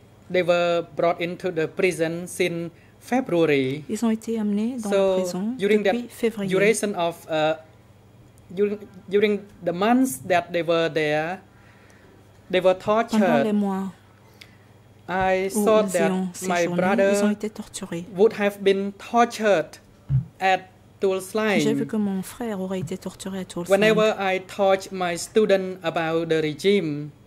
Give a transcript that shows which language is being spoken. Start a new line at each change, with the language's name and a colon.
English: They were brought into the prison since February.
French: Ils ont été amenés dans la prison depuis février.
English: So during the duration of during the months that they were there, they were tortured.
French: Pendant les mois.
English: I thought that my brother would have been tortured at Tuol's Line.
French: J'ai vu que mon frère aurait été torturé à Tuol's Line.
English: Whenever I taught my student about the regime,